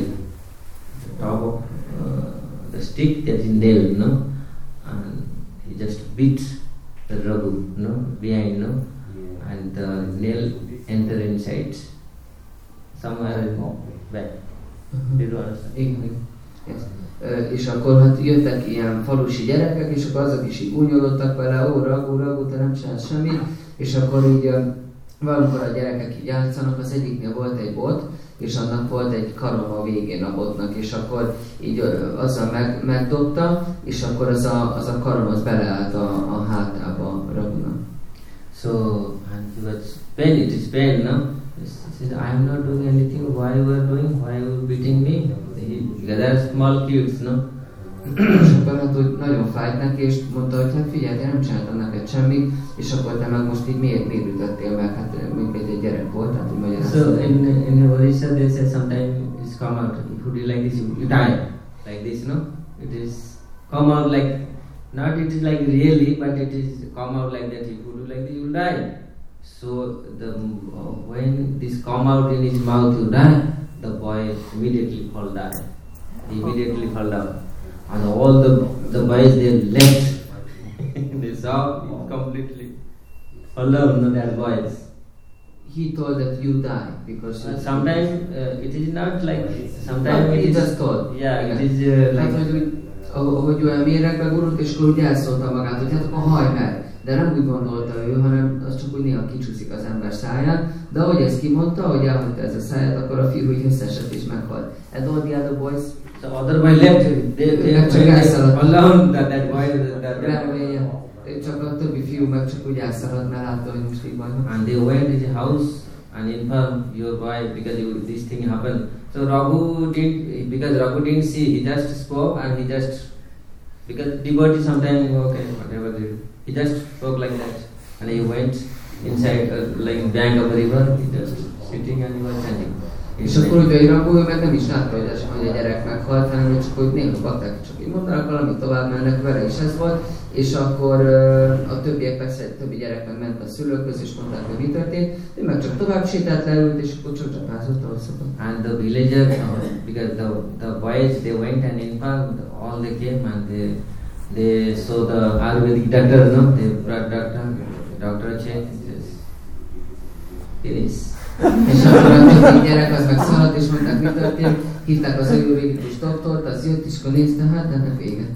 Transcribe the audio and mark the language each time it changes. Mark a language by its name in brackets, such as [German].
[English] The top of the stick that he nailed, no? And he just beat the Raghu, no? Behind, no? And the nail enter inside somewhere in back. Did you understand? [Hungarian] Yes. És akkor hát jöttek ilyen falusi gyerekek, és akkor azok is így unyolottak vele, ó, ragu, te nem csinálsz semmit. És akkor így valamikor a gyerekek így játszanak, az egyiknél volt egy bot, és annak volt egy karom a végén a botnak, és akkor így azzal megdobta, és akkor az a karom az beleállt a hátába a ragunak. [English] So, and he was pain, it is pain, no? He said, I am not doing anything, why you are doing, why you are beating me? They are small kids, no? [Hungarian] És akkor hát úgy nagyon fájt neki, és mondta, hogy hát figyelj, nem csináltam neked semmit, és akkor te meg most így miért ütöttél meg, hát mint egy gyerek volt, hát így magyarázom. [English] So, in the Orisha, they said, sometimes it's come out, if you do like this, you die, like this, no? It is come out like, not it is like really, but it is come out like that, if you do like this, you will die. So the when this come out in his mouth, you die, the boy immediately fall down. Immediately fall down. And all the boys, they left. They saw him completely fall down, their boys. He told that you die because sometimes it is not like sometimes he just told. Yeah, yeah, it is like. [Hungarian] Hogy úgy emlékszem, hogy elszólta magát, hogy hát akkor hajj meg. De nem úgy gondolta ő, hanem az csak úgy néha kicsúszik az ember száján. De ahogy ezt kimondta, hogy elhagyta ez a száját, akkor a fiú így összeesett és meghalt. [English] And all the other boys, the other boy left. They [Hungarian] csak a többi fiú meg csak úgy elszaladt, mert látta, hogy most így van. [English] And they went to the house and informed your boy because you, this thing happened. So Raghu did, because Raghu didn't see, he just spoke and he just, because devotee sometimes, okay, whatever they do, he just spoke like that. And he went inside, like bank of the river, he just sitting and he was standing. [Hungarian] És akkor ugye Raghu, ő meg nem is látta, hogy, lesz, hogy a gyerek meghalt, hanem csak úgy néha batták, csak így mondanak valamit, tovább mennek vele, és ez volt. És akkor a többiek persze, többi gyerek meg ment a szülőkhöz, és mondták, hogy mi történt. Ő meg csak tovább sétált, leült, és akkor csak csapázott, ahogy szokott. [English] And the villagers, because the boys, they went and informed, all they came and they saw the Ayurvedic doctor, no? They brought doctor, Dr. Chen, yes. It is. [Hungarian] És akkor a többi gyerek az meg szaladt, és mondták, mi történt. Hívták az ayurvédikus doktort, az jött, és akkor nézte, hát ennek vége.